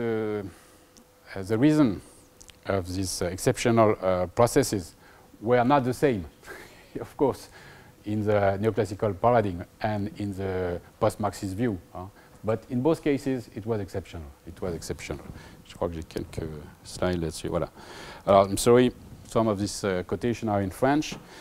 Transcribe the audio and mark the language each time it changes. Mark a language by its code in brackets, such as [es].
[en] So the reason of these exceptional processes were not the same, of course, in the neoclassical paradigm and in the post-Marxist view. But in both cases, it was exceptional. It was exceptional. [fr] Je crois que j'ai quelques slides là-dessus. Voilà. [en] Alors, I'm sorry, some of these quotations are in French.